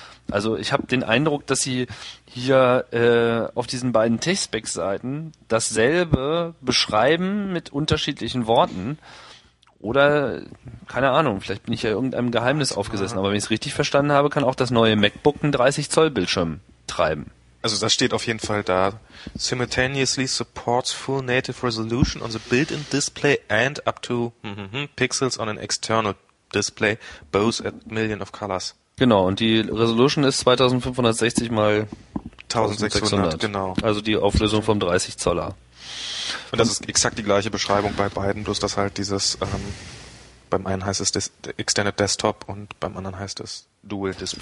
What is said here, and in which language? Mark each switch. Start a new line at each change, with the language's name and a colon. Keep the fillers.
German: Also ich habe den Eindruck, dass sie hier äh, auf diesen beiden Tech-Spec-Seiten dasselbe beschreiben mit unterschiedlichen Worten. Oder, keine Ahnung, vielleicht bin ich ja irgendeinem Geheimnis aufgesessen, aber wenn ich es richtig verstanden habe, kann auch das neue MacBook einen 30-Zoll-Bildschirm treiben. Also da steht auf jeden Fall da.
English: Simultaneously supports full native resolution on the built-in display and up to mhm, pixels on an external display, both at million of colors.
German: Genau, und die Resolution ist 2560 mal 1600, genau. Also die Auflösung vom 30 Zoller. Und das ist exakt die gleiche Beschreibung bei beiden, bloß dass halt dieses, ähm, beim einen heißt es Dis Extended Desktop und beim anderen heißt es Dual Display.